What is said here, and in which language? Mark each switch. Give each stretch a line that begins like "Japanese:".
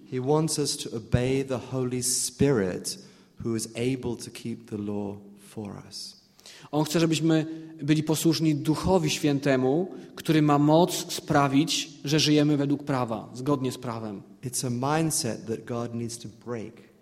English: He wants us to obey the Holy Spirit, who is able to keep the law for us.
Polish: On chce, żebyśmy byli posłuszni Duchowi Świętemu, który ma moc sprawić, że żyjemy według prawa, zgodnie z prawem.
English: It's a mindset that God needs to break.